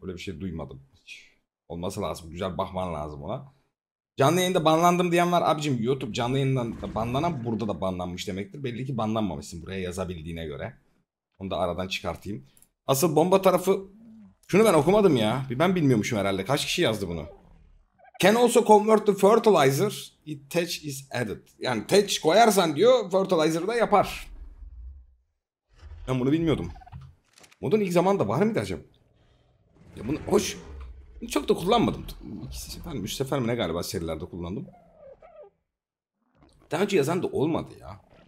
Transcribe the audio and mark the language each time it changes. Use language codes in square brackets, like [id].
[tr] Böyle bir şey duymadım hiç. Olması lazım. Güzel bakman lazım ona. Canlı yayında banlandım diyen var. Abicim YouTube canlı yayından da banlanan burada da banlanmış demektir. Belli ki banlanmamışsın buraya yazabildiğine göre. Onu da aradan çıkartayım. Asıl bomba tarafı... Şunu ben okumadım ya. Ben bilmiyormuşum herhalde. Kaç kişi yazdı bunu? [en] Can also convert to fertilizer if thatch is added. [tr] Yani thatch koyarsan diyor, fertilizer da yapar. Ben bunu bilmiyordum. Modun ilk zamanında var mıydı acaba? Ya bunu hoş. Bunu çok da kullanmadım. İkisi sefer mi? Üç sefer mi ne galiba serilerde kullandım. Daha önce yazan da olmadı ya.